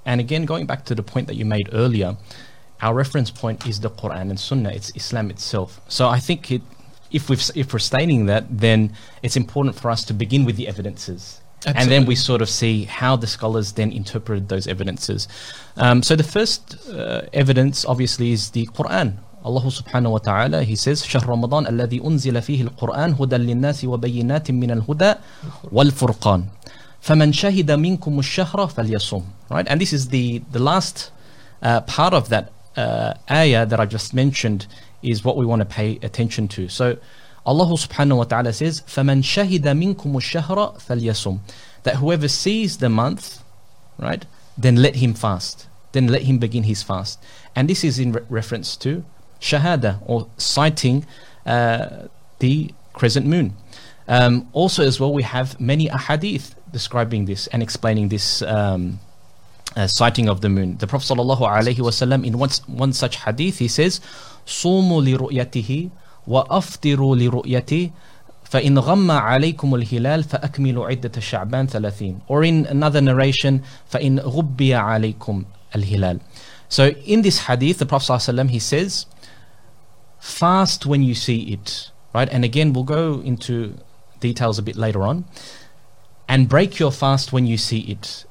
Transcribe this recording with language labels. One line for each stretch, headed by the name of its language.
English: And again, going back to the point that you made earlier, our reference point is the Quran and Sunnah, it's Islam itself. So I think if we're stating that, then it's important for us to begin with the evidences. Absolutely. And then we sort of see how the scholars then interpreted those evidences. So the first evidence, obviously, is the Quran.
Arabic: Allah subhanahu wa ta'ala,
English: he says,
Arabic: شَهْرَ رَمَضَانَ الَّذِي أُنزِلَ فِيهِ الْقُرْآنِ هُدًى لِلنَّاسِ وَبَيِّنَاتٍ مِّنَ الْهُدَى وَالْفُرْقَانِ فَمَنْ شَهِدَ مِنْكُمُ الشَّهْرَ فَلْيَصُمْ.
English: Right? And this is the last part of that ayah that I just mentioned is what we want to pay attention to. So Allah subhanahu wa ta'ala says,
Arabic: فَمَنْ شَهِدَ مِنْكُمُ الشَّهْرَ فَلْيَصُمْ.
English: That whoever sees the month, right, then let him fast. Then let him begin his fast. And this is in reference to shahada, or sighting the crescent moon. Also as well, we have many ahadith describing this and explaining this sighting of the moon. The Prophet sallallahu alayhi wasallam, in one such hadith, he says,
Arabic: صوموا لرؤيته وأفطروا لرؤيته فإن غم عليكم الهلال فأكملوا عدة شعبان ثلاثين.
English: Or in another narration,
Arabic: فإن غبي عليكم الهلال.
English: So in this hadith, the Prophet sallallahu alayhi wasallam, he says, fast when you see it, right? And again, we'll go into details a bit later on. And break your fast when you see it.